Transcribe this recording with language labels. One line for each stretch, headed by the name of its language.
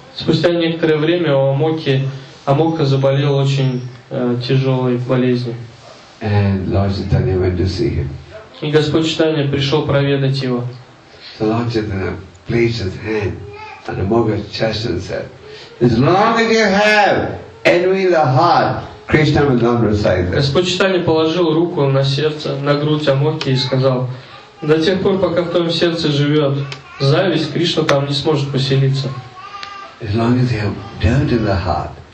Russian: Спустя некоторое время Амогха заболел очень тяжелой болезнью.
English: And Lord Chaitanya went to see him.
Russian: И Господь Читания пришел проведать его.
English: So Lord Chaitanya placed his hand on Amogha's chest and said, "As long as you have envy in the heart, Krishna will not recite that."
Russian: Господь Читания положил руку на сердце, на грудь Амогхи и сказал, "До тех пор, пока в твоем сердце живет зависть, Кришна там не сможет поселиться."
English: As long as you have dirt in the heart,